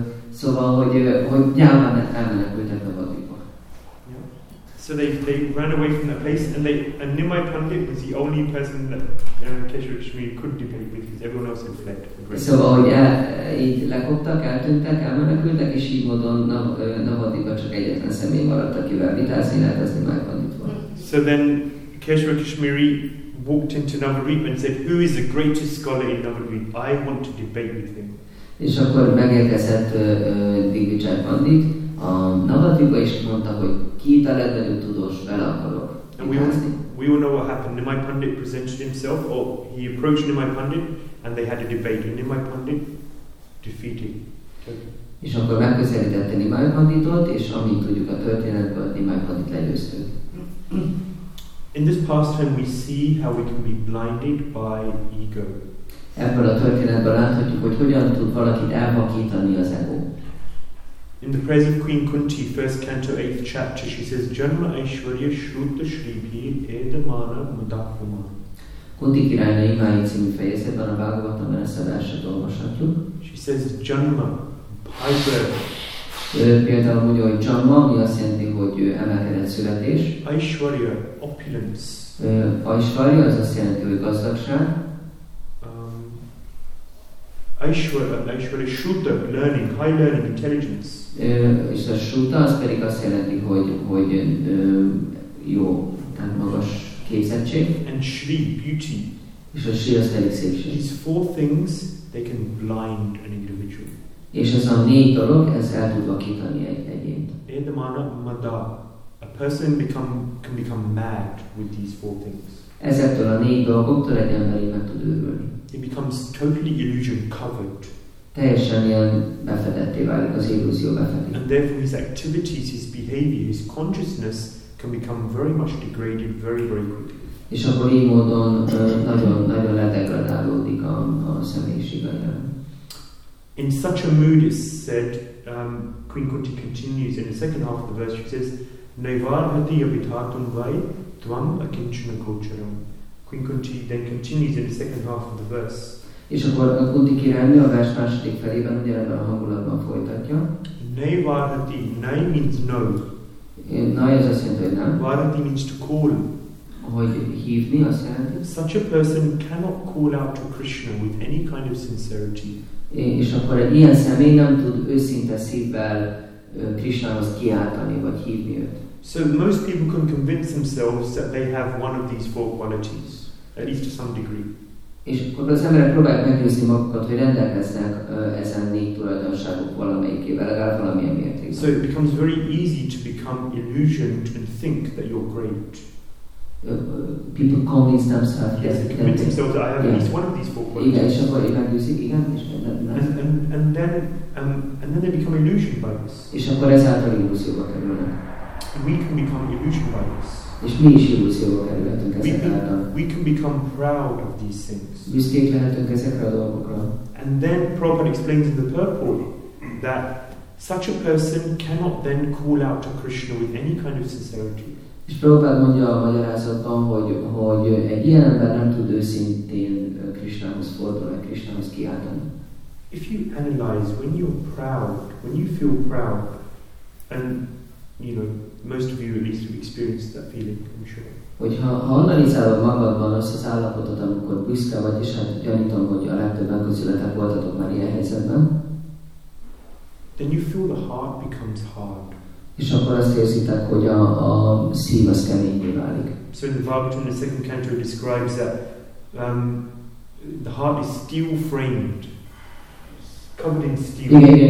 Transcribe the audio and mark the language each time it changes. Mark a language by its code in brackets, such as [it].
[hu] Szóval, hogy gyáván elmenekültek a Navadvipba. [en] So they ran away from that place, and Nimai Pandit was the only person that Keshava Kishori could debate with, because everyone else had fled. [hu] So, így lekoptak, eltűntek, elmenekültek, és így módon Navadvipa csak egyetlen személy maradt, akivel vitázni lehet, az Nimai Pandit volt. [en] So then Keshava Kishori walked into Navadvipa and said, "Who is the greatest scholar in Navadvipa? I want to debate with him." [hu] És akkor megérkezett Digvijay Pandit a Navadvipa, és mondta, hogy ki itt a legnagyobb tudós, vele akarok. [en] And we all know what happened. Nimai Pandit presented himself, or he approached Nimai Pandit, and they had a debate, and Nimai Pandit defeated. [hu] És akkor megközelítette Nimai Panditot, és amint tudjuk a történetből, Nimai Pandit legyőzte. [en] In this pastime, we see how we can be blinded by ego. [hu] Ebből a történetből láthatjuk, hogy hogyan tud valakit elvakítani az ego. [en] In the praise of Queen Kunti, first canto, 8th chapter, she says, [sa] "Janma Aishwarya Shruta Shribhi Edamana Mudakuma." [hu] Kunti királynő imái című fejezetben a Bhagavatam ezt a verset olvashatjuk. [en] She says, "Janma, high birth." [hu] Például mondja, hogy Janma, ami azt jelenti, hogy emelkedett születés. [en] Aishwarya, opulence. [hu] Aishwarya, az azt jelenti, hogy gazdagság. [en] Aishwarya, Shruta, learning, high learning, intelligence. [hu] És a Shruta az pedig azt jelenti, hogy jó, tehát magas képzettség. [en] And Shri, beauty. [hu] És a Shri az pedig szépség. [en] These four things, they can blind an individual. [hu] És ez a négy dolog, ez el tud vakítani egy egyént. [sa] Edamana, mada. [en] A person can become mad with these four things. [hu] Ezettől a négy dolgoktól egy ember meg tud őrülni. [en] It becomes totally illusion covered. [hu] Teljesen ilyen befedetté válik, az illúzió befedi. [en] And therefore his activities, his behavior, his consciousness can become very much degraded very, very quickly. [hu] És akkor így módon nagyon ledegradálódik a személyisége. [en] In such a mood, it's said, Queen Kunti continues in the second half of the verse, she says, [sa] "Naivarhati abhithatun vai dvam akinchana gocharam." [en] Queen Kunti then continues in the second half of the verse. [hu] És akkor a Kunti királynő a vers második felében ugyanebben a hangulatban folytatja. [en] Naivarhati, nai means no. [hu] Nai az azt jelenti, hogy nem. [en] Varhati means to call. [hu] Hogy hívni azt jelenti. [en] Such a person cannot call out to Krishna with any kind of sincerity. [hu] És akkor egy ilyen személy nem tud őszinte szívvel Krisnához kiáltani vagy hívni őt. [en] So most people can convince themselves that they have one of these four qualities, at least to some degree. [hu] És akkor az emberek próbálják meggyőzni magukat, hogy rendelkeznek ezen négy tulajdonságok valamelyikével, legalább valamilyen mértékben. [en] So it becomes very easy to become illusioned and think that you're great. People convince themselves. Yes, they convince themselves that I have at least one of these four qualities. And then they become illusioned by this. [hu] És akkor ezáltal illúzióba kerülnek. [en] We can become illusioned by this. [hu] És mi is illúzióba kerülhetünk ezáltal. [en] We can become proud of these things. [hu] Büszkék lehetünk ezekre a dolgokra. [en] And then Prabhupada explains in the purport that such a person cannot then call out to Krishna with any kind of sincerity. [hu] És Prabhupád mondja a magyarázatban, hogy egy ilyen ember nem tud őszintén Krisnához fordulni, Krisnához kiáltani. [en] If you analyze, when you're proud, when you feel proud, and you know, most of you at least have experienced that feeling, I'm sure. [hu] Hogyha analizálod magadban azt az állapotot, amikor büszke vagy, és hát gyanítom, hogy a legtöbb megközületek voltatok már ilyen helyzetben. [en] Then you feel the heart becomes hard. [hu] És akkor azt érzitek, hogy a szív az keményé válik. [en] So the Bhagavatam, the second canto, describes that the heart is steel framed, covered in steel.